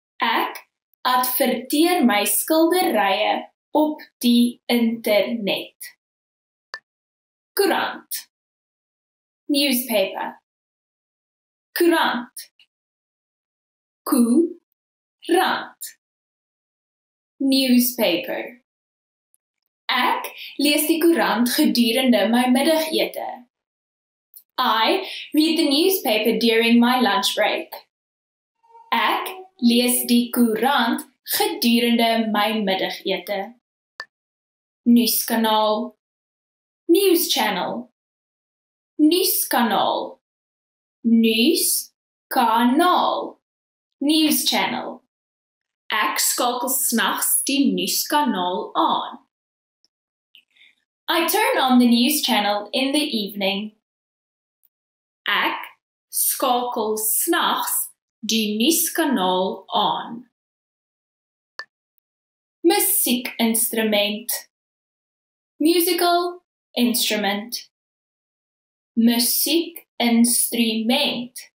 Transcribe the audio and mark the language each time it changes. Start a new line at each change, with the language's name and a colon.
Afrikaans: Ek adverteer my skilderye op die internet. Courant.
English: Newspaper.
Afrikaans: Courant. Courant.
English: Newspaper.
Afrikaans: Ek lees die koerant gedurende my middagete.
English: I read the newspaper during my lunch break.
Afrikaans: Ek lees die koerant gedurende my middagete. Nuuskanaal.
English: News channel.
Afrikaans: Nuuskanaal. Nuuskanaal.
English: News channel.
Afrikaans: Ek skakel 's nachts die nuuskanaal aan.
English: I turn on the news channel in the evening.
Afrikaans: Ek skakel 's nachts die nuuskanaal aan. Musiekinstrument.
English: Musical instrument.
Afrikaans: Musiekinstrument.